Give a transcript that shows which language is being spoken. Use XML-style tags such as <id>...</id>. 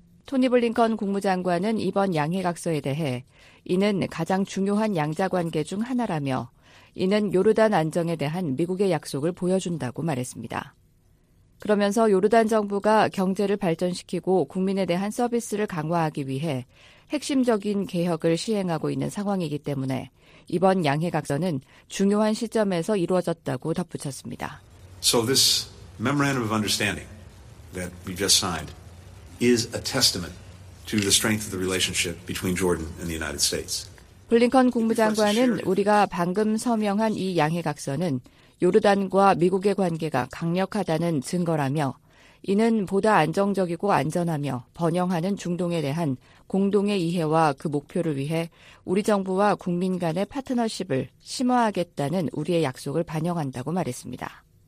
<ko>토니 블링컨 국무장관은 이번 양해각서에 대해 이는 가장 중요한 양자관계 중 하나라며 이는 요르단 안정에 대한 미국의 약속을 보여준다고 말했습니다. 그러면서 요르단 정부가 경제를 발전시키고 국민에 대한 서비스를 강화하기 위해 핵심적인 개혁을 시행하고 있는 상황이기 때문에 이번 양해각서는 중요한 시점에서 이루어졌다고 덧붙였습니다.</ko> <en>So this memorandum of understanding that we just signed is a testament to the strength of the relationship between Jordan and the United States.</en> <ko>블링컨 국무장관은 우리가 방금 서명한 이 양해각서는 요르단과 미국의 관계가 강력하다는 증거라며 이는 보다 안정적이고 안전하며 번영하는 중동에 대한 공동의 이해와 그 목표를 위해 우리 정부와 국민 간의 파트너십을 심화하겠다는 우리의 약속을 반영한다고 말했습니다.</ko>